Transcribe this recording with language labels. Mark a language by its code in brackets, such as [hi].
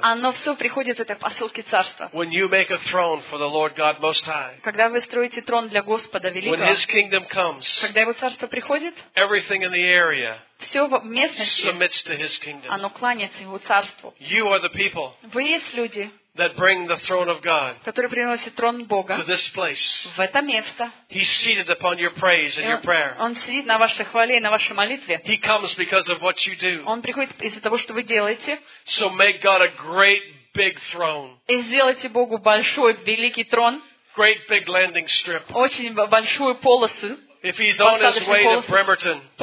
[ru] Оно все приходит в этой посылке царства. [en] When you make a throne for the Lord God Most High. [ru] Когда вы строите трон для Господа Великого. [en] When His kingdom comes. [ru] Когда Его царство приходит. [en] Everything in the area. [ru] Все в местности. Оно кланяется Его царству. [en] You are the people. [ru] Вы есть люди. [en] That bring the throne of God [ru] который приносит трон Бога [en] to this place. [ru] В это место. [en] He's seated upon your praise and your prayer. [ru] Он сидит на вашей хвале и на вашей молитве. [en] He comes because of what you do. [ru] Он приходит из-за того, что вы делаете. [en] So make God a great big throne. [ru] И сделайте Богу большой, великий трон. [en] Great big landing strip. [ru] Очень большую полосу. [en] If he's on his way to Bremerton,